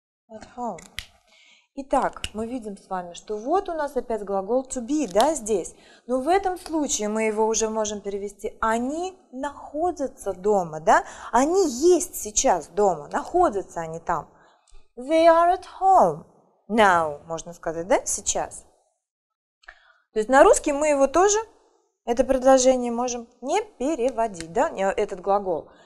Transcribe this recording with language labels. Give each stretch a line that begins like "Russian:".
English: At home.
Russian: Итак, мы видим с вами, что вот у нас опять глагол to be, да, здесь. Но в этом случае мы его уже можем перевести. Они находятся дома, да? Они есть сейчас дома, находятся они там.
English: They are at home now,
Russian: можно сказать, да, сейчас. То есть на русский мы его тоже, это предложение, можем не переводить, да, этот глагол.